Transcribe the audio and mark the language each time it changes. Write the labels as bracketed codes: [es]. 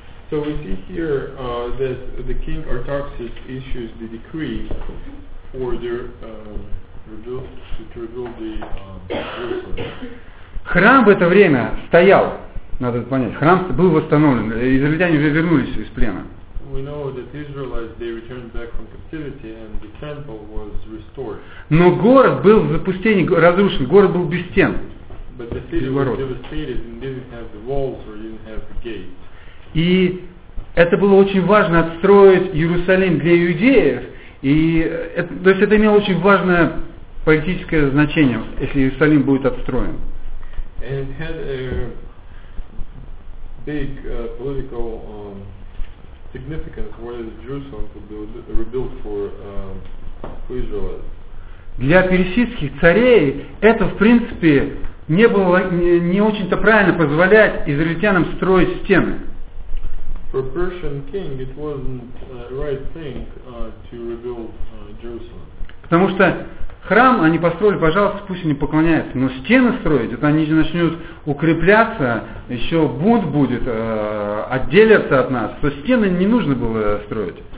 [en] So we see here that the king Artaxerxes issues the decree for the rebuild the Jerusalem. [ru] Храм в это время стоял, надо понять. Храм был восстановлен, израильтяне уже вернулись из плена. [en] We know that Israelites, they returned back from captivity and the temple was restored. [ru] Но город был в запустении, разрушен, город был без стен. [en] But the city was devastated and didn't have the walls or didn't have the gates. [ru] И это было очень важно отстроить Иерусалим для иудеев, и это, то есть это имело очень важное политическое значение, если Иерусалим будет отстроен. [en] And it had a big political significance where Jerusalem could be rebuilt for Israel. [ru] Для персидских царей это, в принципе, не было не очень-то правильно позволять израильтянам строить стены. [en] For a Persian king, it wasn't the right thing to rebuild Jerusalem. [ru] Потому что храм они построили, пожалуйста, пусть они поклоняются, но стены строить, это они же начнут укрепляться, еще бунт будет, отделятся от нас, то стены не нужно было строить.